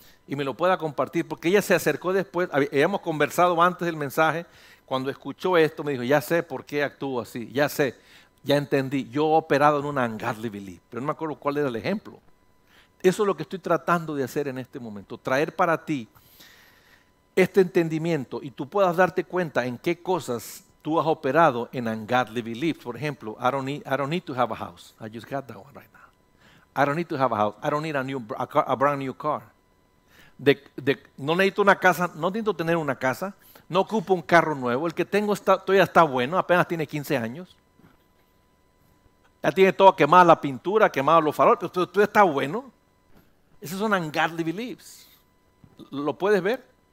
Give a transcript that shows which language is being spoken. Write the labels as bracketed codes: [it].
[es] Y me lo pueda compartir, porque ella se acercó después, habíamos conversado antes del mensaje, cuando escuchó esto me dijo, ya sé por qué actúo así, ya sé, ya entendí, yo he operado en un ungodly belief, pero no me acuerdo cuál era el ejemplo. Eso es lo que estoy tratando de hacer en este momento, traer para ti este entendimiento y tú puedas darte cuenta en qué cosas tú has operado en ungodly belief. Por ejemplo, [en] I don't need to have a house, I just got that one right now. I don't need to have a house, I don't need a brand new car. [es] No necesito una casa, no necesito tener una casa, no ocupo un carro nuevo, el que tengo todavía está bueno, apenas tiene 15 años. Ya tiene todo quemado la pintura, quemado los faroles, pero todavía está bueno. Esos son ungodly beliefs. ¿Lo puedes ver?